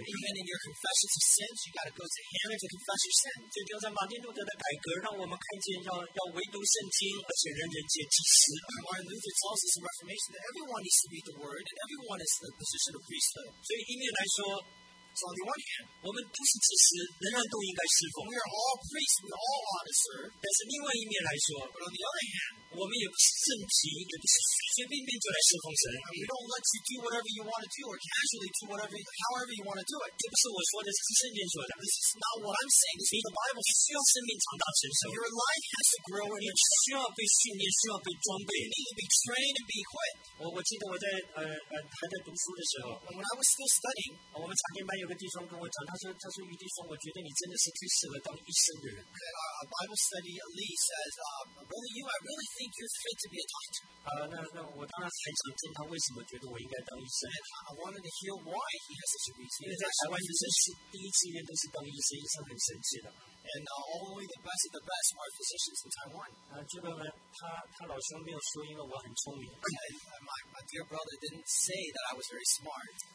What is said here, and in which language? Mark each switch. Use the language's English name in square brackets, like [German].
[English] Even in your confessions of sins, you got to go to him to confess your sins. [Chinese] 就像在马丁路德的改革，让我们看见要唯独圣经，而且人人皆祭司。 [English] Martin Luther tells us in Reformation that everyone needs to read the word, and everyone is the position of priesthood. [Chinese] 所以一面来说。 [English] So on the one hand, [Chinese] 我们都是祭司，人人都应该侍奉。 [English] We are all priests, we all ought to serve. [Chinese] 但是另外一面来说 [English] ，But on the other hand, [Chinese] 我们也不是正直，也不是随随便便就来侍奉神。 [English] We don't let you do whatever you want to do, or casually do whatever, however you want to do it. [Chinese] 这不是我说的，是圣经说的。 [English] This is not what I'm saying. This is the Bible. [Chinese] 需要生命长大成熟。 [English] Your life has to grow. [Chinese] 你需要被训练，需要被装备。 [English] You need to be trained and be equipped. [Chinese] 我记得我在还在读书的时候 [English] ，When I was still studying, [Chinese] 我们常年班有。弟兄跟我讲，他说余弟兄，我觉得你真的是最适合当医生的人。 [English] A Bible study, Lee says, "Brother, you, I really think you're fit to be a doctor." [Chinese] 那我当然很想听他为什么觉得我应该当医生。 [English] I wanted to hear why he has such a reason. [Chinese] 因为在台湾医生是第一志愿都是当医生，医生很神奇的。 [English] And only the best of the best are physicians in Taiwan. [Chinese] 这个呢，他老兄没有说，因为我很聪明。 [English] My dear brother didn't say that I was very smart.